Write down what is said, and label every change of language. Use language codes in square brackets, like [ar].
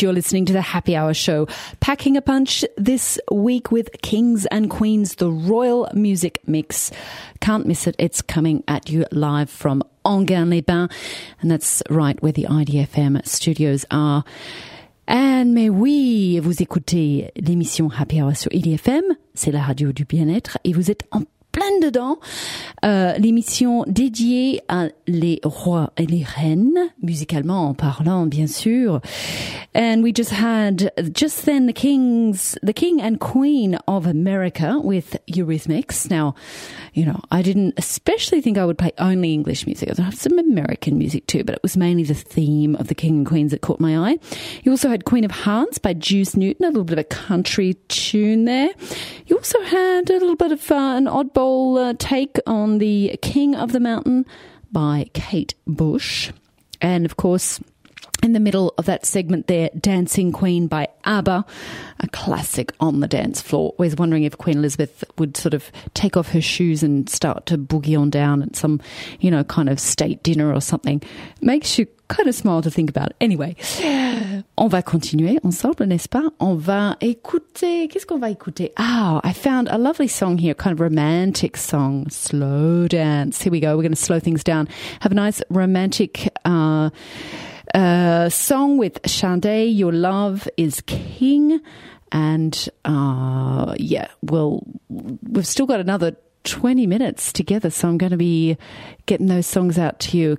[en] You're listening to the Happy Hour Show, packing a punch this week with Kings and Queens, the Royal Music Mix. Can't miss it. It's coming at you live from Enghien-les-Bains. And that's right where the IDFM studios are. [fr] And mais oui, vous écoutez l'émission Happy Hour sur IDFM. C'est la radio du bien-être et vous êtes en plein dedans. L'émission dédiée à les rois et les reines, musicalement en parlant, bien sûr. [en] And we just had, just then, the king and queen of America with Eurythmics. Now, you know, I didn't especially think I would play only English music. I have some American music too, but it was mainly the theme of the king and queens that caught my eye. You also had Queen of Hearts by Juice Newton, a little bit of a country tune there. You also had a little bit of an oddball take on the King of the Mountain by Kate Bush. And of course, in the middle of that segment there, Dancing Queen by ABBA, a classic on the dance floor. I was wondering if Queen Elizabeth would sort of take off her shoes and start to boogie on down at some, you know, kind of state dinner or something. Makes you kind of smile to think about it. [fr] Anyway, on va continuer ensemble, n'est-ce pas? On va écouter, qu'est-ce qu'on va écouter? [en] Oh, I found a lovely song here, kind of romantic song, Slow Dance. Here we go, we're going to slow things down. Have a nice romantic song with Sade, Your Love is King. And yeah, well, we've still got another 20 minutes together, so I'm going to be getting those songs out to you.